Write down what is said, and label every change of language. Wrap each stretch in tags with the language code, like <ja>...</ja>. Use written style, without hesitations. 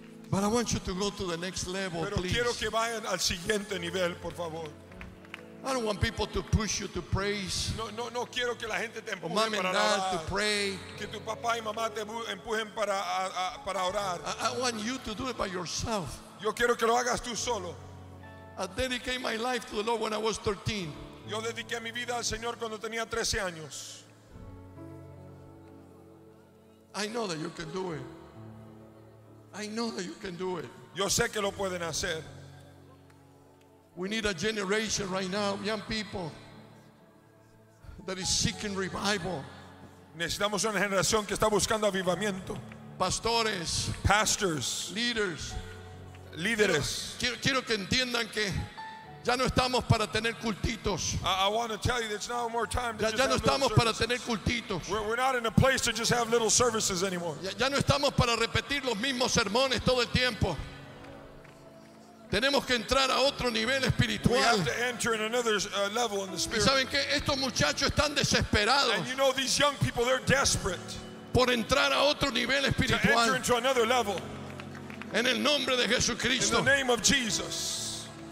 <en>But I want you to go to the next level,</en> <es>pero</es> <en>please.</en> <es>Quiero que vayan al siguiente nivel, por favor.</es> <en>I don't want people to push you to praise.</en> <es>No quiero que la gente te empuje para orar.</es> <en>Mom and dad to pray.</en> <es>Que tu papá y mamá te empujen para orar.</es> <en>I want you to do it by yourself.</en> <es>Yo quiero que lo hagas tú solo.</es> <en>I dedicated my life to the Lord when I was 13.</en> <es>Yo dediqué mi vida al Señor cuando tenía 13 años.</es> <en>I know that you can do it. I know that you can do it.</en> <es>Yo sé que lo pueden hacer.</es> <en>We need a generation right now, young people, that is seeking revival.</en> <es>Necesitamos una generación que está buscando avivamiento. Pastores,</es> <en>pastors, leaders,</en> <es>líderes. Quiero que entiendan que ya no estamos para tener cultitos.</es> <en>I want to tell you that it's no more time to</en> <es>ya, ya no estamos para tener cultitos.</es> <en>We're not in a place to just have little services anymore.</en> <es>Ya no estamos para repetir los mismos sermones todo el tiempo. Tenemos que entrar a otro nivel espiritual.</es> <en>We have to enter in another level in the spirit.</en> <es>Y saben que estos muchachos están desesperados.</es> <en>And you know these young people, they're desperate.</en> <es>Por entrar a otro nivel espiritual.</es> <en>To enter into another level.</en> <es>En el nombre de Jesucristo.</es> <en>In the name of Jesus.</en>